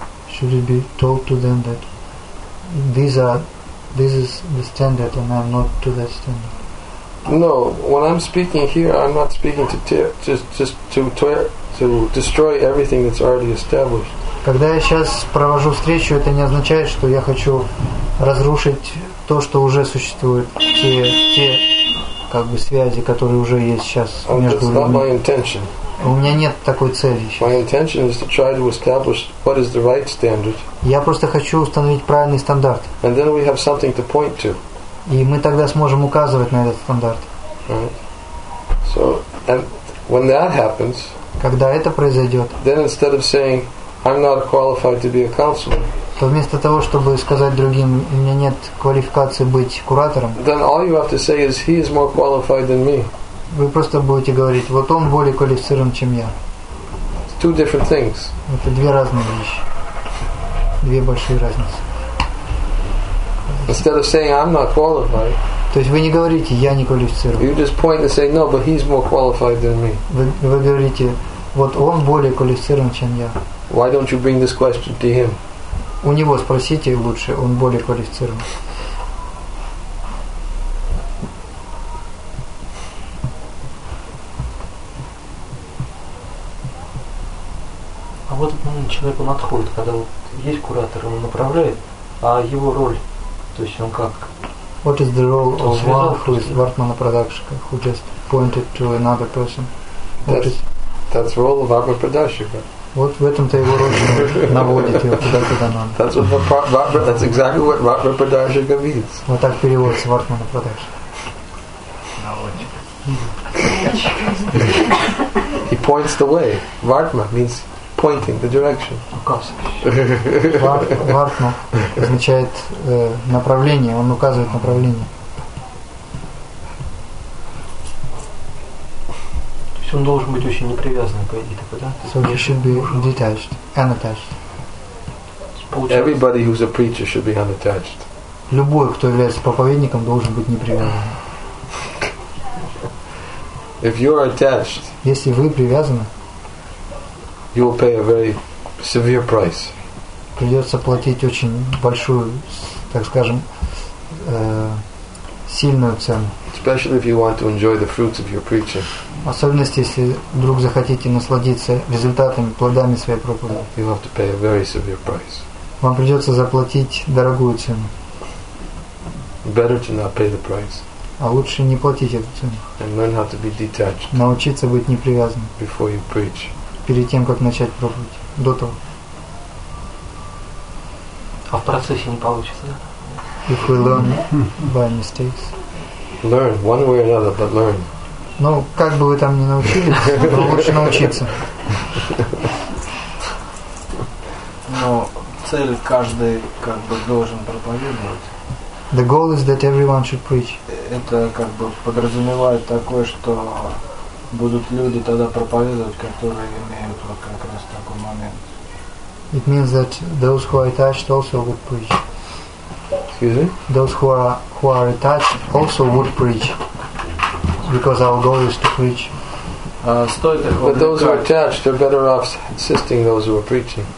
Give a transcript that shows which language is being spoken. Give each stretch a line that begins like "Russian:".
English: Should it be told to them that this is the standard and I'm not to that standard? No, when I'm speaking here, I'm not speaking to destroy everything that's already established.
Russian: Когда я сейчас провожу встречу, это не означает, что я хочу разрушить то, что уже существует, те как бы связи, которые уже есть сейчас между людьми.
English: That's not my intention.
Russian: У меня нет такой цели.
English: My intention is to try to establish what is the right standard.
Russian: Я просто хочу установить правильный стандарт.
English: And then we have something to point to.
Russian: И мы тогда сможем указывать на этот стандарт.
English: Right. So, and when that happens,
Russian: когда это произойдет,
English: then instead of saying, I'm not qualified to be a counselor,
Russian: то вместо того, чтобы сказать другим, у меня нет квалификации быть куратором,
English: then all you have to say is, he is more qualified than me.
Russian: Вы просто будете говорить, вот он более квалифицирован, чем я.
English: It's two different things.
Russian: Это две разные вещи. Две большие разницы.
English: Instead of saying I'm not qualified,
Russian: то есть вы не говорите, я не квалифицирован.
English: You just point and say, no, but he's more qualified than me.
Russian: Вы говорите, вот он более квалифицирован, чем я.
English: Why don't you bring this question to him?
Russian: У него спросите лучше, он более квалифицирован. А вот этот момент человеку отходит, когда вот есть куратор, он направляет, а его роль.
English: What is the role of one who is Vartmana Pradakshika, who just pointed to another person? That's the role of Vartmana Pradakshika. What
Russian: в этом-то его роль наводит его куда-то надо?
English: That's exactly what Vartmana Pradakshika means.
Russian: Вот так переводится Vartmana Pradakshika. Да,
English: He points the way. Vartma means pointing the direction.
Russian: Vartma означает направление. Он указывает направление. То есть он должен быть очень непривязанным к этому, да?
English: So he should be detached, unattached. Everybody who's a preacher should be unattached.
Russian: Любой, кто является проповедником, должен быть непривязанным.
English: If you are attached,
Russian: если вы привязаны,
English: you will pay a very severe price.
Russian: Придется платить очень большую, так скажем, сильную цену.
English: Especially if you want to enjoy the fruits of your preaching.
Russian: Особенно если вдруг захотите насладиться результатами, плодами своей проповеди.
English: You have to pay a very severe price.
Russian: Вам придется заплатить дорогую цену.
English: Better to not pay the price.
Russian: А лучше не платить эту цену.
English: And learn how to be detached.
Russian: Научиться быть непривязанным.
English: Before you preach.
Russian: Перед тем, как начать пробовать. До того. А в процессе не получится, да?
English: If we learn by mistakes. Learn one way or another, but learn.
Russian: Ну, как бы вы там ни научились, но лучше научиться. Но цель каждый как бы должен проповедовать.
English: The goal is that everyone should preach.
Russian: Это как бы подразумевает такое, что будут люди тогда проповедовать, которые имеют вот как раз такой момент.
English: It means that those who are attached also would preach. Excuse me? Those who are attached also would preach. Because our goal is to preach.
Russian: Стоит их увлекать.
English: But those who are attached are better off assisting those who are preaching.